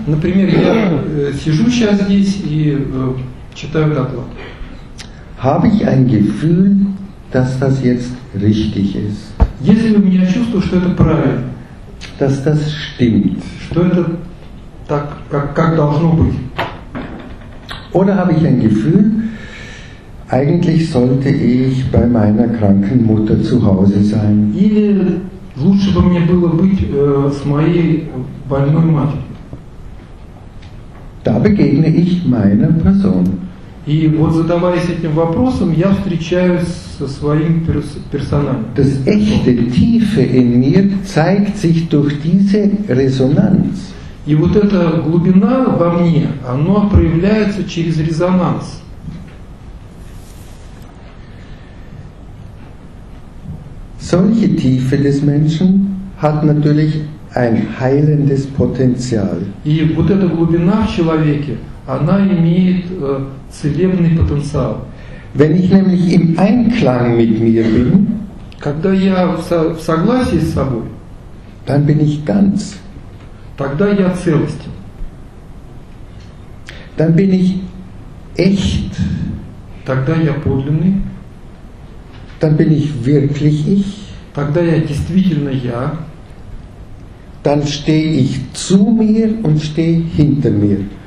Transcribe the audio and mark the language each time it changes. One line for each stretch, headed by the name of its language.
Russian: Например, я сижу сейчас здесь и читаю доклад.
German: Habe ich ein Gefühl, dass das jetzt richtig ist?
Russian: Если у меня чувство, что это правильно.
German: Dass das stimmt.
Russian: Что это так, как должно быть?
German: Oder habe ich ein Gefühl, eigentlich sollte ich bei meiner kranken Mutter zu Hause sein?
Russian: Или лучше бы мне было быть с моей больной матерью?
German: Da begegne ich meiner Person.
Russian: И вот задаваясь этим вопросом, я встречаюсь со своим персоналом.
German: Das echte Tiefe in mir zeigt sich durch diese Resonanz.
Russian: И вот эта глубина во мне, она проявляется через резонанс.
German: Solche Tiefe des Menschen hat natürlich ein heilendes Potenzial.
Russian: И вот эта глубина в человеке, она имеет целебный потенциал.
German: Wenn ich nämlich im Einklang mit mir bin,
Russian: когда я в согласии с собой,
German: dann bin ich ganz.
Russian: Тогда я целостен.
German: Dann bin ich echt.
Russian: Тогда я подлинный.
German: Dann bin ich wirklich ich.
Russian: Тогда я действительно я.
German: Dann stehe ich zu mir und stehe hinter mir.